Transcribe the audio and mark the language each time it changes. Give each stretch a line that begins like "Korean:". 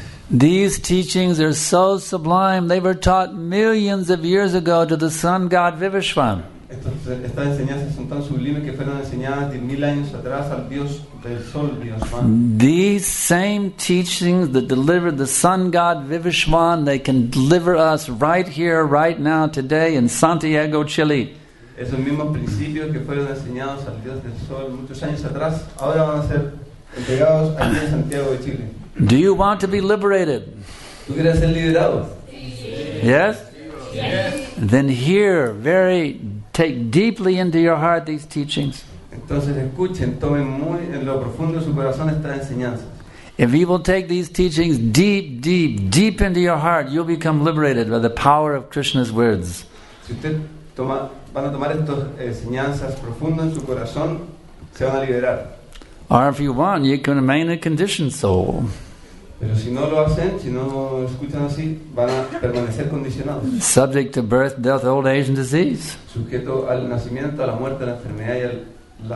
English: These teachings are so sublime, they were taught millions of years ago to the sun god Vivishvan. These same teachings that deliver the sun god Vivishvan, they can deliver us right here, right now, today in Santiago, Chile.
Spanish: Esos mismos principios que fueron enseñados al Dios del Sol muchos años atrás, ahora van a ser entregados aquí en Santiago de Chile.
English: Do you want to be liberated?
Spanish: ¿Tú quieres ser liberado?
English: Yes? Yes. Then hear very, take deeply into your heart these teachings.
Spanish: Entonces escuchen, tomen muy en lo profundo de su corazón estas enseñanzas.
English: If you will take these teachings deep, deep, deep into your heart, you'll become liberated by the power of Krishna's words.
Spanish: Si usted toma... van a tomar estas enseñanzas profundas en su corazón, se van a liberar.
English: Or if you want, you can remain a conditioned soul.
Spanish: Pero si no lo hacen, si no escuchan así, van a permanecer condicionados.
English: Subject to birth, death, old age and disease.
Spanish: Sujeto al nacimiento, a la muerte, a la enfermedad y al...